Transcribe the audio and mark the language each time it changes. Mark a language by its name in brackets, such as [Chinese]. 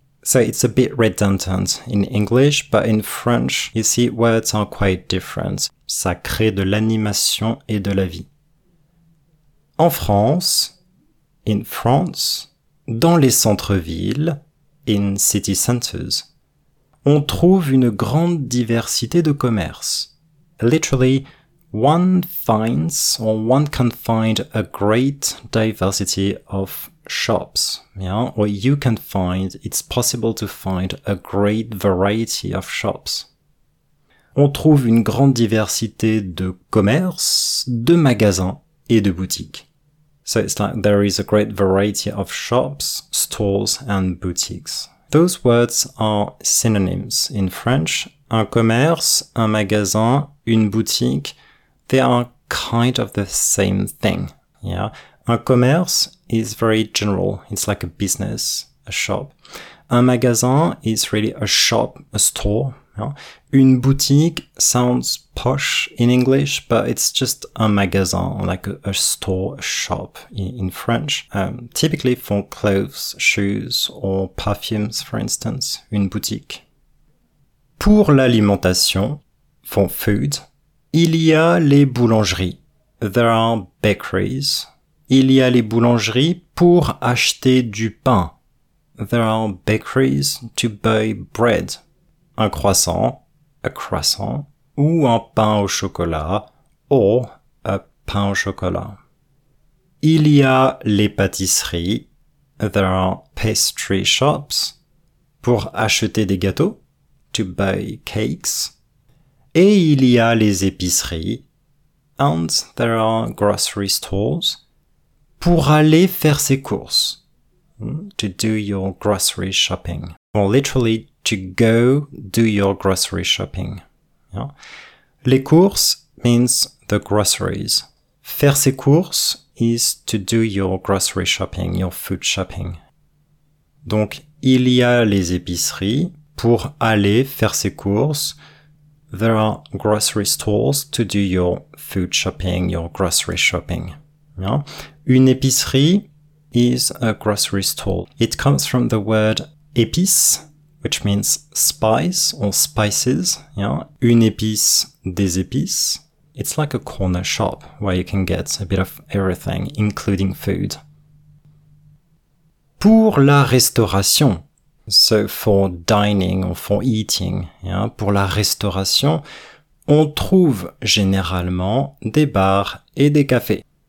[English] So it's a bit redundant in English, but in French, you see, words are quite different. [French] Ça crée de l'animation et de la vie. En France, [English] in France, [French] dans les centres-villes, [English] in city centers, [French] on trouve une grande diversité de commerces. [English] Literally, one finds or one can find a great diversity of shops. Yeah, or you can find, it's possible to find a great variety of shops. [French] On trouve une grande diversité de commerces, de magasins et de boutiques. [English] So it's like there is a great variety of shops, stores, and boutiques. Those words are synonyms in French. [French] Un commerce, un magasin, une boutique, [English] they are kind of the same thing. Yeah. Un commerce is very general. It's like a business, a shop. Un magasin is really a shop, a store. Yeah. Une boutique sounds posh in English, but it's just un magasin, like a store, a shop in French. Typically for clothes, shoes, or perfumes, for instance, une boutique. [French] Pour l'alimentation, [English] for food, [French] il y a les boulangeries. [English] There are bakeries. [French] Il y a les boulangeries pour acheter du pain. [English] There are bakeries to buy bread. [French] Un croissant, [English] a croissant, [French] ou un pain au chocolat, [English] or a pain au chocolat. [French] Il y a les pâtisseries, [English] there are pastry shops, [French] pour acheter des gâteaux, [English] to buy cakes. [French] Et il y a les épiceries, [English] and there are grocery stores, [French] pour aller faire ses courses, [English] to do your grocery shopping. Or literally, to go do your grocery shopping. Yeah. Les courses means the groceries. Faire ses courses is to do your grocery shopping, your food shopping. [French] Donc, il y a les épiceries pour aller faire ses courses. [English] There are grocery stores to do your food shopping, your grocery shopping. Yeah. Une épicerie is a grocery store. It comes from the word épice, which means spice or spices. Yeah. Une épice, des épices. It's like a corner shop where you can get a bit of everything, including food. [French] Pour la restauration. [English] So for dining or for eating. Yeah. Pour la restauration, [French] on trouve généralement des bars et des cafés.